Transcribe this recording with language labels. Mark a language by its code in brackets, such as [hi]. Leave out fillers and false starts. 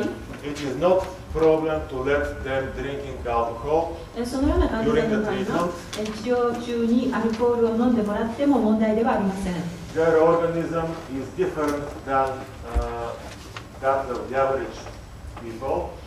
[en] it is not problem to let them drinking alcohol [ja] そのような患者さんの場合の治療中にアルコールを飲んでもらっても問題ではありません。 [en] Their organism is different than, that of the average people.